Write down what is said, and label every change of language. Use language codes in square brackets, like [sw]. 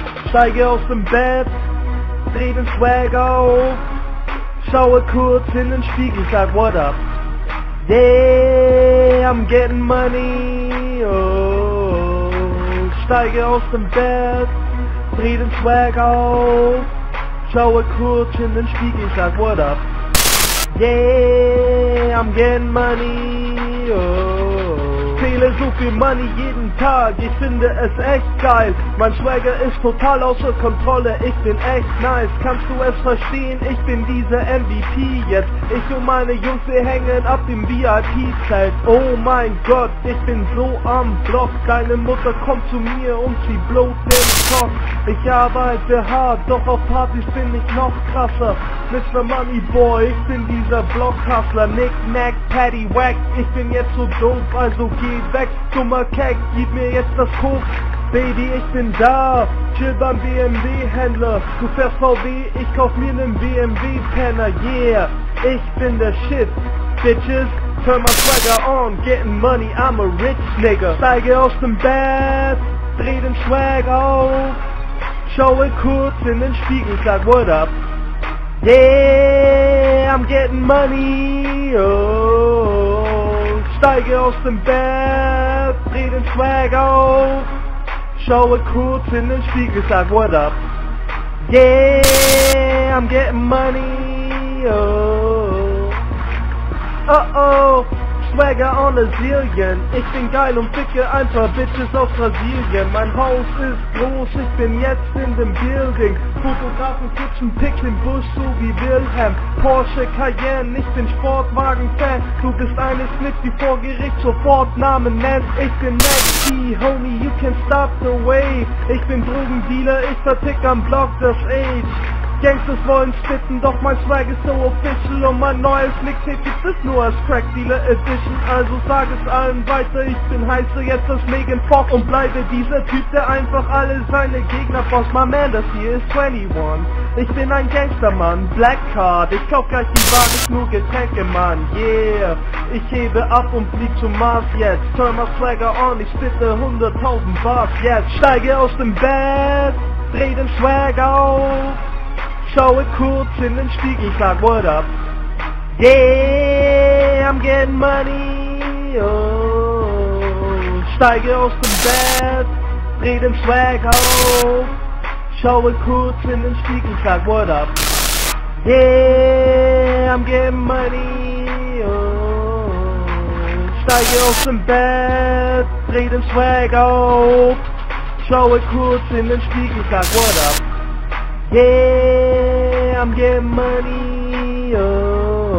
[de] steig ich aus dem Bett, dreh den Swag auf, schaue kurz in den Spiegel, sag [en] what up. Yeah, I'm getting money, oh. [de] Steige aus dem Bett, dreh den Swag auf, schaue kurz in den Spiegel, sag [en] what up. Yeah, I'm getting money, oh. [de] Zähle so viel Money jeden Tag, ich finde es echt geil. Mein Swagger ist total außer Kontrolle, ich bin echt nice. Kannst du es verstehen, ich bin dieser MVP jetzt. Ich und meine Jungs, wir hängen ab im VIP-Zelt. Oh mein Gott, ich bin so am Block. Deine Mutter kommt zu mir und sie blowt den Kopf. Ich arbeite hart, doch auf Partys bin ich noch krasser. Mr. Money Boy, ich bin dieser Blockhustler. Nick Mack, Paddy Wack, ich bin jetzt so dope, also geh weg. Dummer Keck, gib mir jetzt das Koks. Baby, ich bin da, chill beim BMW-Händler. Du fährst VW, ich kauf mir nen BMW-Penner. Yeah, ich bin der Shit, Bitches. [en] Turn my swagger on, getting money, I'm a rich nigga. [de] Steige aus dem Bett, dreh den Swag auf, schaue kurz in den Spiegel, sag [en] what up. Yeah, I'm getting money, oh. [de] Steige aus dem Bett, dreh den Swag auf, schaue kurz in den Spiegel, sag [en] what up. Yeah, I'm getting money, oh. Uh-oh. Swagger on a zillion. [de] Ich bin geil und ficke ein paar Bitches aus Brasilien. Mein Haus ist groß, ich bin jetzt in dem Building. Fotografen kitchen, pick den Busch so wie Wilhelm. Porsche Cayenne, ich bin Sportwagen-Fan. Du bist eine Snitch, die vor Gericht sofort Namen nennt. Ich bin [en] Maxi, homie, you can stop the wave. [de] Ich bin Drogendealer, ich vertick am Block das Age. Gangsters wollen spitten, doch mein Swag ist so official. Und mein neues Mixtape gibt es nur als Crack Dealer Edition. Also sag es allen weiter, ich bin heißer jetzt als Megan Fox. Und bleibe dieser Typ, der einfach alle seine Gegner boss. [en] My man, [de] das hier ist 21. Ich bin ein Gangstermann, Black Card. Ich kauf gleich die Bahn, ist nur Getränke, Mann. Yeah, ich hebe ab und flieg zum Mars jetzt. [en] Turn my Swagger on, [de] ich spitte 100.000 Bars jetzt. Steige aus dem Bett, dreh den Swag auf, schaue kurz in den Spiegel, sag [en] what up. Yeah, I'm getting money, oh. [de] Steige aus dem Bett, dreh den Swag auf, schaue kurz in den Spiegel, sag [en] what up. Yeah, I'm getting money, oh. [de] Steige aus dem Bett, dreh den Swag auf, schaue kurz in den Spiegel, sag [en] what up. Yeah, I'm getting money, oh.